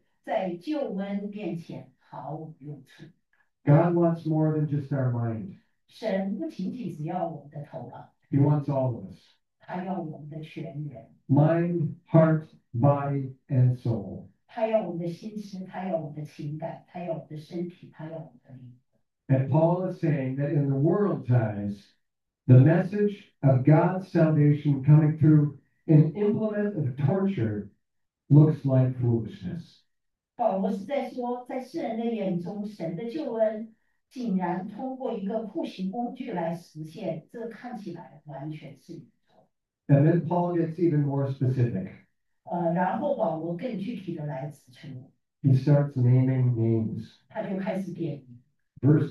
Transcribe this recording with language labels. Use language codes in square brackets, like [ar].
[zh] 他是在说，单靠人的智慧，在救恩面前毫无用处。 [en] God wants more than just our mind. [zh] 神不仅仅只要我们的头脑。 [en] He wants all of us. [zh] 他要我们的全人。 [en] Mind, heart, body, and soul. [zh] 他要我们的心思，他要我们的情感，他要我们的身体，他要我们的灵魂。 [en] And Paul is saying that in the world's eyes, the message of God's salvation coming through An implement of torture looks like foolishness. [zh] 保罗是在说，在世人的眼中，神的救恩竟然通过一个酷刑工具来实现，这看起来完全是愚蠢。 [en] And then Paul gets even more specific. [zh] 然后保罗更具体的来指出。 [en] He starts naming names. [zh] 他就开始点。 [en] Verse